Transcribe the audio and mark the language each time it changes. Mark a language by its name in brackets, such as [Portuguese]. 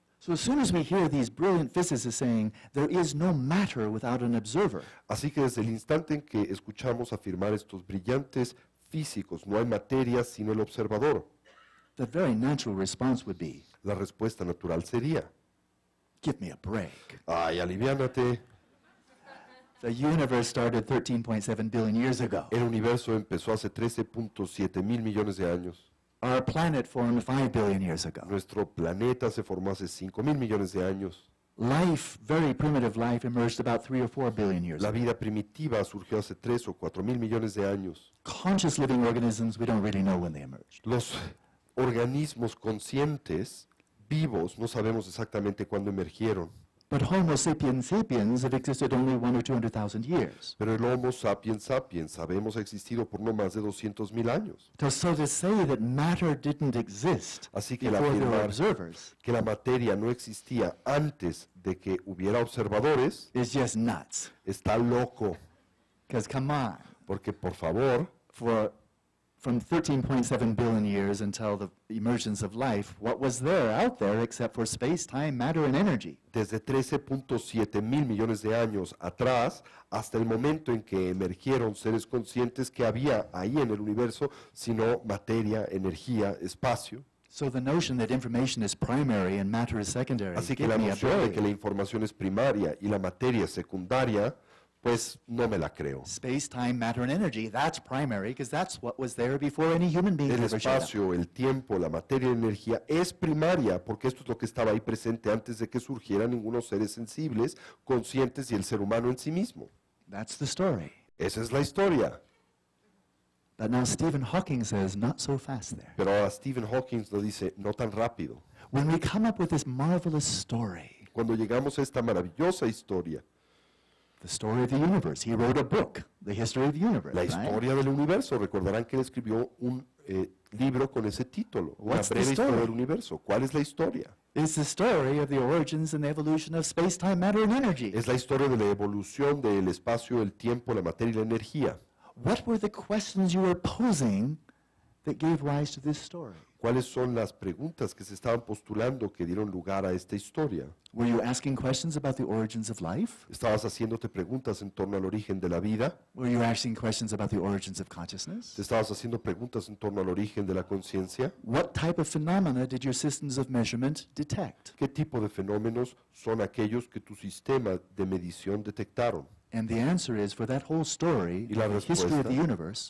[English] So as soon as we hear these brilliant physicists saying there is no matter without an observer. [Spanish] Así que desde el instante en que escuchamos afirmar estos brillantes físicos, no hay materia sin el observador. [English] The very natural response would be. [Spanish] La respuesta natural sería. [English] Give me a break. [Spanish] Ay, aliviánate. [English] The universe started 13.7 billion years ago. [Spanish] El universo empezó hace 13.7 mil millones de años. [English] Our planet formed 5 billion years ago. [Spanish] Nuestro planeta se formó hace 5 mil millones de años. [English] Life, very primitive life, emerged about 3 or 4 billion years ago. [Spanish] La vida primitiva surgió hace 3 o 4 mil millones de años. [English] Conscious living organisms, we don't really know when they emerged. [Spanish] Los organismos conscientes, vivos, no sabemos exactamente cuándo emergieron. [English] But Homo sapiens sapiens have existed only 1 or 200,000 years. [Spanish] Pero el Homo sapiens sapiens sabemos ha existido por no más de 200,000 años. [English] So to say that matter didn't exist before there were observers. [Spanish] Que la materia no existía antes de que hubiera observadores. [English] Is just nuts. [Spanish] Está loco. [English] Because come on. [Spanish] Porque por favor. [English] From 13.7 billion years until the emergence of life, what was there out there except for space, time, matter, and energy? [Spanish] Desde 13.7 mil millones de años atrás, hasta el momento en que emergieron seres conscientes, que había ahí en el universo, sino materia, energía, espacio. [English] So the notion that information is primary and matter is secondary. [Spanish] Así que la noción de que la información es primaria y la materia secundaria. Pues no me la creo. [English] Space, time, matter, and energy, that's primary, because that's what was there before any human being ever showed up. [Spanish] El espacio, el tiempo, la materia y la energía es primaria, porque esto es lo que estaba ahí presente antes de que surgieran ningunos seres sensibles, conscientes y el ser humano en sí mismo. [English] That's the story. [Spanish] Esa es la historia. [English] But now Stephen Hawking says, not so fast there. [Spanish] Pero ahora Stephen Hawking lo dice, no tan rápido. [English] When we come up with this marvelous story, [Spanish] cuando llegamos a esta maravillosa historia, [English] the story of the universe. He wrote a book, The History of the Universe. [Spanish] La historia del universo. Recordarán que él escribió un libro con ese título. [English] What's the story? [Spanish] Historia del universo. ¿Cuál es la historia? [English] It's the story of the origins and the evolution of space, time, matter, and energy. [Spanish] Es la historia de la evolución del espacio, el tiempo, la materia y la energía. [English] What were the questions you were posing that gave rise to this story? [Spanish] ¿Cuáles son las preguntas que se estaban postulando que dieron lugar a esta historia? [English] Were you asking questions about the origins of life? [Spanish] ¿Estabas haciéndote preguntas en torno al origen de la vida? [English] Were you asking questions about the origins of consciousness? [Spanish] ¿Te estabas haciendo preguntas en torno al origen de la conciencia? [English] What type of phenomena did your systems of measurement detect? [Spanish] ¿Qué tipo de fenómenos son aquellos que tu sistema de medición detectaron? [English] And the answer is for that whole story, the history of the universe.